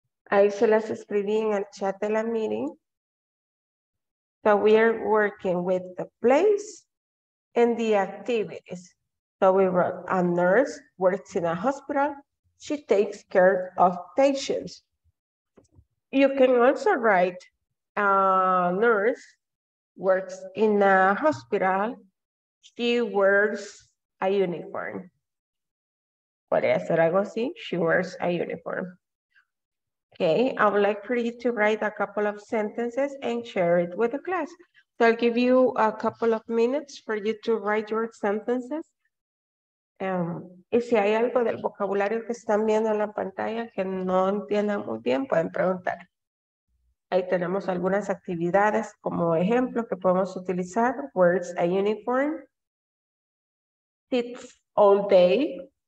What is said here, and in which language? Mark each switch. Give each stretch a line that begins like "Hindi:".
Spanish: Ahí se las escribí en el chat de la meeting.
English: So we are working with the place and the activities. So we wrote, a nurse works in a hospital. She takes care of patients. You can also write, a nurse works in a hospital. She wears a uniform.
Spanish: Podría ser algo así.
English: She wears a uniform. Okay, I would like for you to write a couple of sentences and share it with the class. So I'll give you a couple of minutes for you to write your sentences.
Spanish: Y si hay algo del vocabulario que están viendo en la pantalla que no entiendan muy bien, pueden preguntar. Ahí tenemos algunas actividades como ejemplo que podemos utilizar.
English: Wears a uniform. Sits all day.